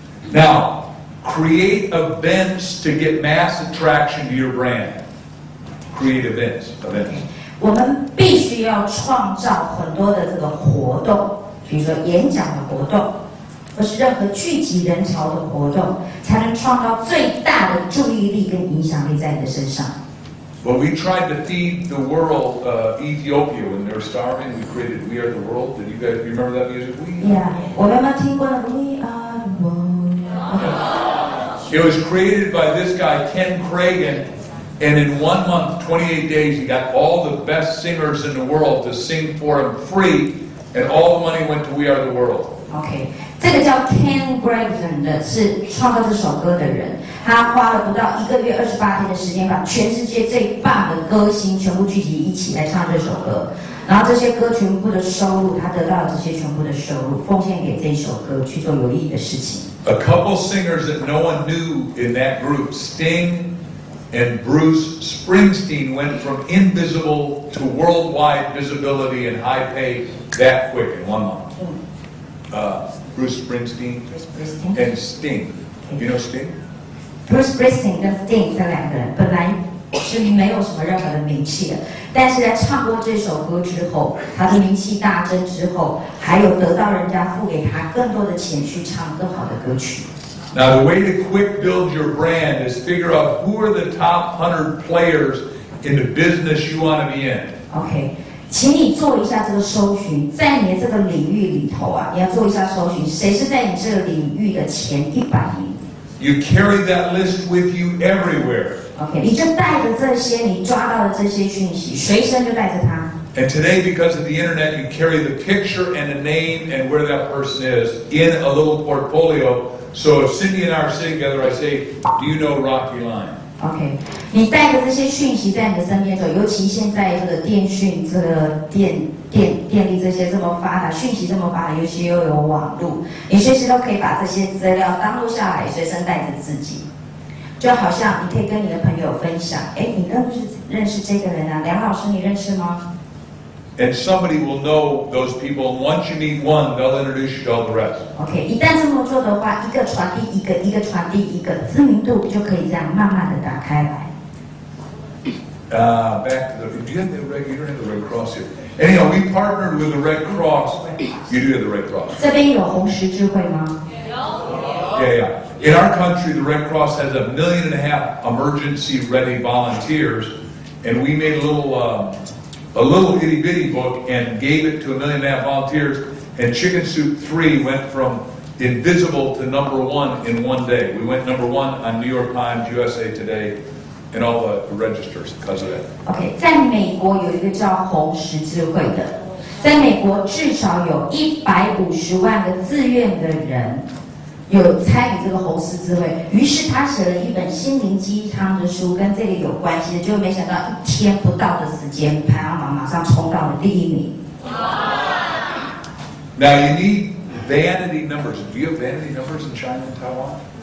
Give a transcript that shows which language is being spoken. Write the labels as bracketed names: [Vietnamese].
[English] Now, create events to get mass attraction to your brand. Create events, events. [Chinese] 我们必须要创造很多的这个活动，比如说演讲的活动，或是任何聚集人潮的活动，才能创造最大的注意力跟影响力在你的身上。 [English] When we tried to feed the world Ethiopia when they're starving, we created We Are the World. Did you guys remember that music? We are. Yeah, [Chinese] 我有没有听过那个 [English] We Are the World?、Okay. It was created by this guy Ken Cragen. And in 1 month, 28 days, he got all the best singers in the world to sing for him free, and all the money went to We Are the World. [Chinese] Okay, 这个叫 Ken Graven 的，是创造这首歌的人。他花了不到一个月28天的时间，把全世界最棒的歌星全部聚集一起来唱这首歌。然后这些歌全部的收入，他得到这些全部的收入，奉献给这首歌去做有意义的事情。 [English] A couple singers that no one knew in that group, Sting. And Bruce Springsteen went from invisible to worldwide visibility and high pay that quick in 1 month.、Bruce Springsteen and Sting. You know Sting? [Chinese] Bruce Springsteen and Sting 这两个人本来是没有什么任何的名气的，但是在唱过这首歌之后，他的名气大增之后，还有得到人家付给他更多的钱去唱更好的歌曲。 [English] Now, the way to quick build your brand is figure out who are the top 100 players in the business you want to be in. [Chinese] Okay, 请你做一下这个搜寻，在你这个领域里头啊，你要做一下搜寻，谁是在你这个领域的前100名。 [English] You carry that list with you everywhere. [Chinese] Okay, 你就带着这些你抓到的这些讯息，随身就带着它。 [English] And today, because of the internet, you carry the picture and the name and where that person is in a little portfolio. So if Cindy and I are sitting together, I say, "Do you know Rocky Line?" [Chinese] Okay, 你带着这些讯息在你的身边走，尤其现在这个电讯、这个电力这些这么发达，讯息这么发达，尤其又有网路，你随时都可以把这些资料当录下来，随身带着自己。就好像你可以跟你的朋友分享，哎，你认识这个人啊，梁老师，你认识吗？ [English] And somebody will know those people. And once you meet one, they'll introduce you to all the rest. [Chinese] Okay, 一旦这么做的话，一个传递一个，一个传递一个，知名度就可以这样慢慢的打开来。 [English] Back to the, do you have the red? You don't have the Red Cross here. Anyhow, we partnered with the Red Cross. You do have the Red Cross. [Chinese] 这边有红十字会吗？有。 [English] Yeah, yeah. In our country, the Red Cross has 1.5 million emergency ready volunteers, and we made a little. a little itty bitty book and gave it to 1.5 million volunteers, and Chicken Soup 3 went from invisible to number one in one day. We went number one on New York Times, USA Today, and all the registers because of that. [Chinese] Okay, 在美国有一个叫红十字会的，在美国至少有150万个自愿的人有参与这个红十字会，于是他写了一本心灵鸡汤的书，跟这个有关系的，就没想到一天不到的时间，排行榜马上冲到了第一名。 [English] Now you need vanity numbers. Do you have vanity numbers in China and Taiwan?